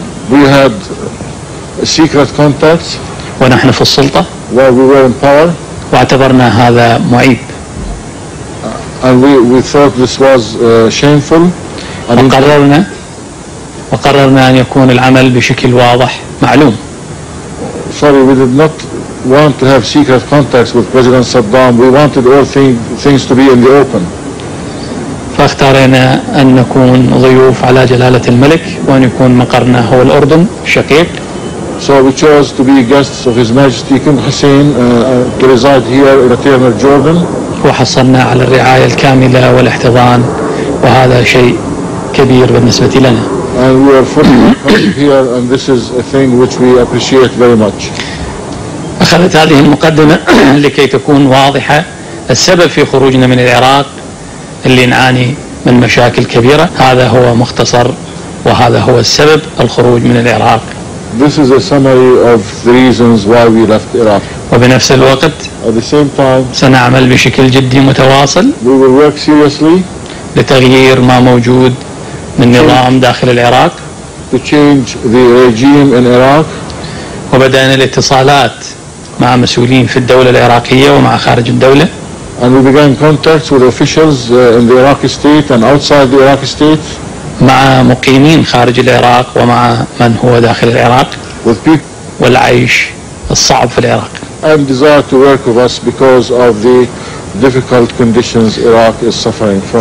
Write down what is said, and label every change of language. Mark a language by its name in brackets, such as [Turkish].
[English] We had secret contacts. [Arabic] ونحن في السلطة. [English] While we were in power. [Arabic] واعتبرنا هذا معيب. [English] And we thought this was shameful. [Arabic] وقررنا أن يكون العمل بشكل واضح معلوم. [English] Sorry, we did not want to have secret contacts with President Saddam. We wanted all things to be in the open. [Arabic] فاختارنا أن نكون ضيوف على جلالة الملك وأن يكون مقرنا هو الأردن الشقيق. [English] So we chose to be guests of His Majesty King Hussein to reside here in Tamir, Jordan. [Arabic] وحصلنا على الرعاية الكاملة والاحتضان وهذا شيء كبير بالنسبة لنا. [English] And we are fully here, and this is a thing which we appreciate very much. [Arabic] أخذت هذه المقدمة لكي تكون واضحة السبب في خروجنا من العراق اللي نعاني من مشاكل كبيرة. هذا هو مختصر وهذا هو السبب الخروج من العراق. [English] This is a summary of the reasons why we left Iraq. [Arabic] وبنفس الوقت. [English] At the same time. [Arabic] سنعمل بشكل جدي متواصل. [English] We will work seriously. [Arabic] لتغيير ما موجود. من نظام داخل العراق. [English] To change the regime in Iraq. [Arabic] وبدأنا الاتصالات مع مسؤولين في الدولة العراقية ومع خارج الدولة. [English] And we began contacts with officials in the Iraqi state and outside the Iraqi state. [Arabic] مع مقيمين خارج العراق ومع من هو داخل العراق. [English] With people. [Arabic] والعيش الصعب في العراق. [English] And desire to work with us because of the difficult conditions Iraq is suffering from.